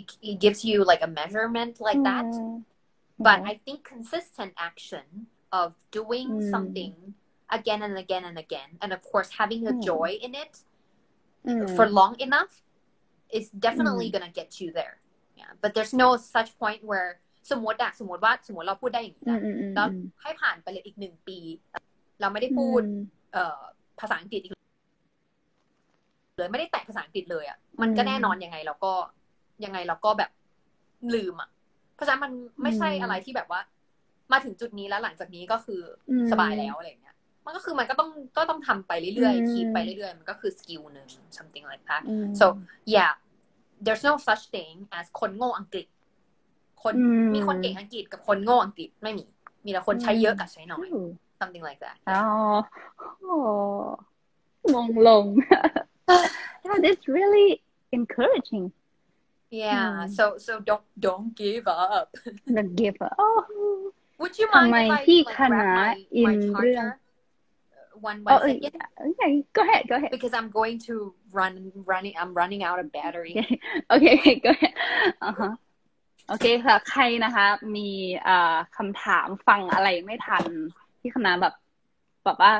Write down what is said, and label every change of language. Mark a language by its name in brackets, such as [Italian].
[English] it gives you like a measurement like that But I think consistent action of doing something again and again and again, and of course having a joy in it for long enough, is definitely gonna get you there. Yeah, but there's no such point where [Thai] สมมติว่าเราพูดได้อย่างนี้แล้วให้ผ่านไปเลยอีกหนึ่งปีเราไม่ได้พูดภาษาอังกฤษอีกเลยไม่ได้แตะภาษาอังกฤษเลยอ่ะมันก็แน่นอนยังไงเรา ก็แบบลืมอ่ะเพราะฉะนั้นมันไม่ใช่อะไรที่แบบว่ามาถึงจุดนี้แล้วหลังจากนี้ก็คือสบายแล้วอะไรเงี้ยมันก็คือมันก็ต้องทำไปเรื่อยๆคีบไปเรื่อยๆมันก็คือสกิลหนึ่ง [English] something like that so yeah there's no such thing as [Thai] คนโง่อังกฤษคนมีคนเก่งอังกฤษกับคนโง่อังกฤษไม่มีมีแต่คนใช้เยอะกับใช้น้อย [English] something like that ลง yeah this really encouraging Yeah, so don't give up. Don't give up. Would you mind if I grab my charger? One second. Okay, go ahead. Because I'm going to running. I'm running out of battery. Okay, go ahead. [Thai] Okay, ค่ะ ใครนะคะ มี คำถามฟังอะไรไม่ทันพี่คณะแบบว่า